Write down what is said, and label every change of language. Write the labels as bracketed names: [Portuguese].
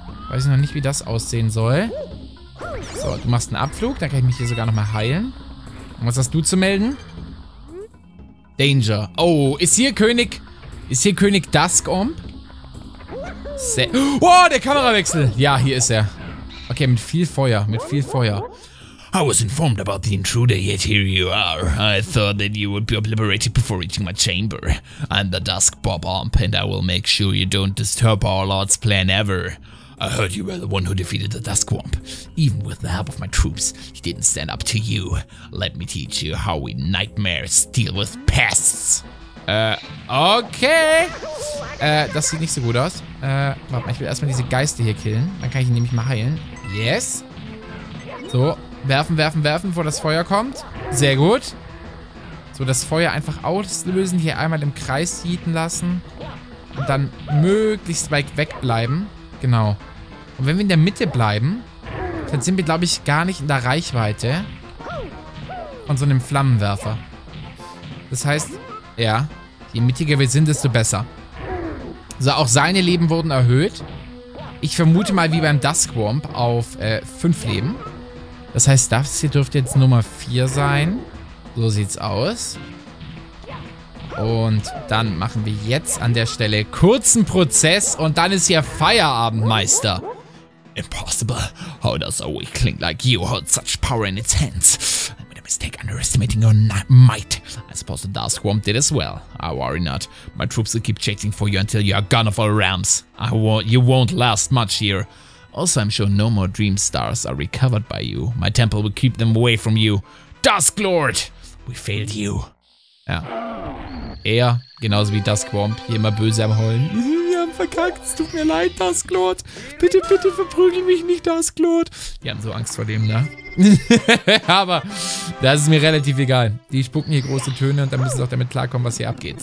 [German] Weiß ich noch nicht, wie das aussehen soll. So, du machst einen Abflug. Dann kann ich mich hier sogar nochmal heilen. Und was hast du zu melden? Danger. Oh, ist hier König... Ist hier König Duskomb? Oh, der Kamerawechsel! Ja, hier ist er. Okay, mit viel Feuer, mit viel Feuer. [English] I was informed about the intruder, yet here you are. I thought that you would be obliterated before reaching my chamber. I'm the Dusk Bob Omp, and I will make sure you don't disturb our Lord's plan ever. I heard you were the one who defeated the Dusk Womp. Even with the help of my troops, he didn't stand up to you. Let me teach you how we nightmares deal with pests. Okay. [German] Das sieht nicht so gut aus. Warte mal, ich will erstmal diese Geister hier killen. Dann kann ich ihn nämlich mal heilen. Yes. So, werfen, werfen, werfen, bevor das Feuer kommt. Sehr gut. So, das Feuer einfach auslösen. Hier einmal im Kreis jieten lassen. Und dann möglichst weit wegbleiben. Genau. Und wenn wir in der Mitte bleiben, dann sind wir, glaube ich, gar nicht in der Reichweite von so einem Flammenwerfer. Das heißt, ja, je mittiger wir sind, desto besser. So, auch seine Leben wurden erhöht. Ich vermute mal, wie beim Duskwomp, auf 5 Leben. Das heißt, das hier dürfte jetzt Nummer 4 sein. So sieht's aus. Und dann machen wir jetzt an der Stelle kurzen Prozess und dann ist hier Feierabend, Meister. [English] Impossible. How does a weakling like you hold such power in its hands? Mistake underestimating your might. I suppose the Duskwomp did as well. I worry not. My troops will keep chasing for you until you are gone of all realms. You won't last much here. Also, I'm sure no more dream stars are recovered by you. My temple will keep them away from you. Dusklord! We failed you. [German] Ja. Er, genauso wie Duskwomp, hier immer böse am Heulen. Wir haben verkackt. Es tut mir leid, Dusklord. Bitte, bitte verprügel mich nicht, Dusklord. Die haben so Angst vor dem, ne? Aber das ist mir relativ egal. Die spucken hier große Töne und dann müssen sie auch damit klarkommen, was hier abgeht.